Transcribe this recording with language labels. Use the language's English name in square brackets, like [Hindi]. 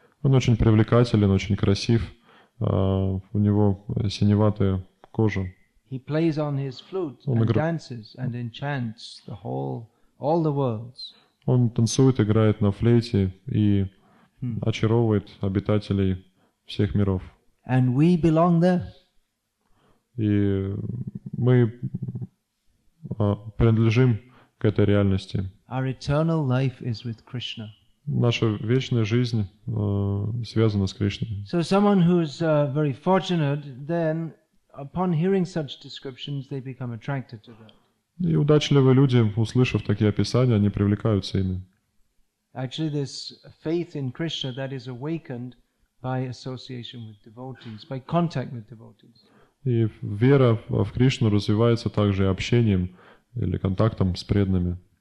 [Russian] Он очень привлекателен, очень красив. У него синеватая кожа. [English] He plays on his flute and dances and enchants all the worlds. [Russian] Он танцует, играет на флейте и очаровывает обитателей всех миров. [English] And we belong there. [Russian] И мы принадлежим к этой реальности. [English] Our eternal life is with Krishna. [Russian] Наша вечная жизнь связана с Кришной. [English] So someone who is very fortunate, then upon hearing such descriptions, they become attracted to that. [Russian] И удачливые люди, услышав такие описания, они привлекаются ими. [English] Actually, this faith in Krishna that is awakened by association with devotees, by contact with devotees. [Russian] И вера в Кришну развивается также общением или контактом с преданными.